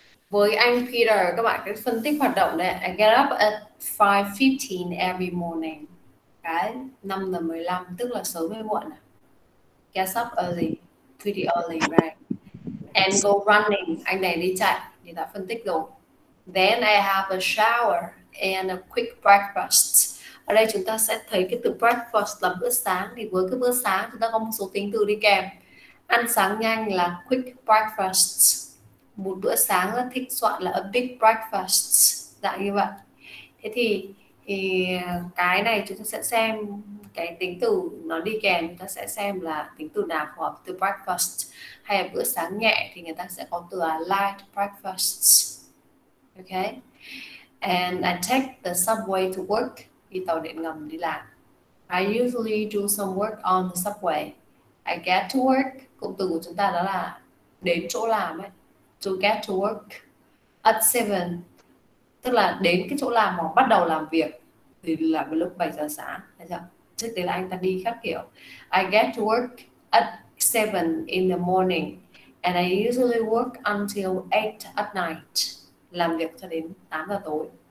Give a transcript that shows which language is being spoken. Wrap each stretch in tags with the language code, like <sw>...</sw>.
<vi>Với anh Peter, các bạn cái phân tích hoạt động này,</vi> <en>I get up at 5:15 every morning.</en> <vi>Cái 5:15 tức là sớm hay muộn.</vi> <en>Get up early, pretty early, right? And go running,</en> <vi>anh này đi chạy, thì đã phân tích rồi.</vi> <en>Then I have a shower and a quick breakfast.</en> <vi>Ở đây chúng ta sẽ thấy cái từ breakfast là bữa sáng, thì với cái bữa sáng chúng ta có một số tính từ đi kèm. Ăn sáng nhanh là quick breakfast. Một bữa sáng rất thịnh soạn là a big breakfast, dạng như vậy. Thế thì cái này chúng ta sẽ xem cái tính từ nó đi kèm, chúng ta sẽ xem là tính từ nào phù hợp từ breakfast. Hay là bữa sáng nhẹ thì người ta sẽ có từ là light breakfast. Okay.</vi> <en>And I take the subway to work,</en> <vi>đi tàu điện ngầm đi làm.</vi> <en>I usually do some work on the subway. I get to work,</en> <vi>cụm từ của chúng ta đó là đến chỗ làm ấy.</vi> <en>To get to work at 7,</en> <vi>tức là đến cái chỗ làm hoặc bắt đầu làm việc thì là lúc 7 giờ sáng, thấy chưa? Trước đấy là anh ta đi khác kiểu.</vi> <en>I get to work at 7 in the morning and I usually work until 8 at night,</en> <vi>làm việc cho đến 8 giờ tối.</vi>